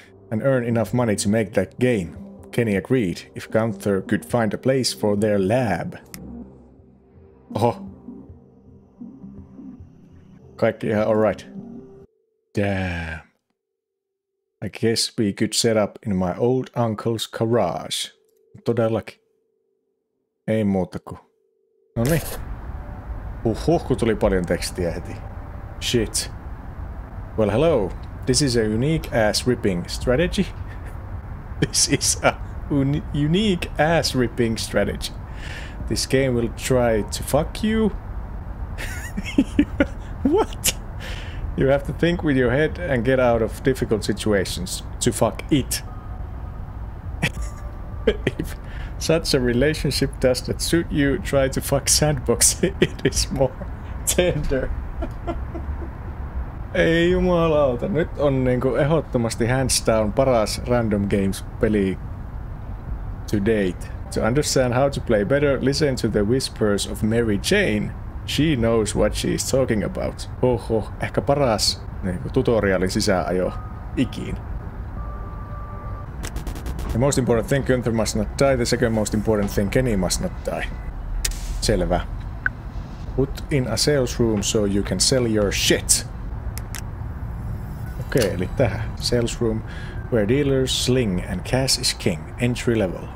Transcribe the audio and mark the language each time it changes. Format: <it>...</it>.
<en>And earn enough money to make that game. Kenny agreed, if Gunther could find a place for their lab. Oh.</en> <fi>Kaikki ihan</fi> <en>alright. Damn. I guess we could set up in my old uncle's garage.</en> <fi>Todellakin. Ei muuta kuin. Noniin. Huhhuh, kun tuli paljon tekstiä heti.</fi> <en>Shit. Well, hello. This is a unique ass-ripping strategy. This is a unique ass-ripping strategy. This game will try to fuck you. What? You have to think with your head and get out of difficult situations to fuck it. If such a relationship does not suit you, try to fuck sandbox. It is more tender.</en> <fi>Ei jumalauta, nyt on niinku ehdottomasti hands down paras random games peli</fi> <en>to date. To understand how to play better, listen to the whispers of Mary Jane. She knows what she's talking about.</en> <fi>Oho, ehkä paras niinku tutoriaalin sisäänajo ikin.</fi> <en>The most important thing, Gunther must not die. The second most important thing, Kenny must not die.</en> <fi>Selvä.</fi> <en>Put in a sales room so you can sell your shit.</en> <fi>Okei, eli tähän.</fi> <en>Sales room where dealers sling and cash is king. Entry level.</en>